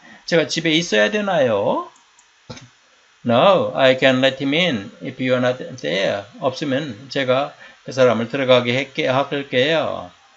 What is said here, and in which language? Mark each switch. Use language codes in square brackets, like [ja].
[ko] 제가 집에 있어야 되나요? [en] No, I can let him in if you are not there. [ko] 없으면 제가 그 사람을 들어가게 할게요.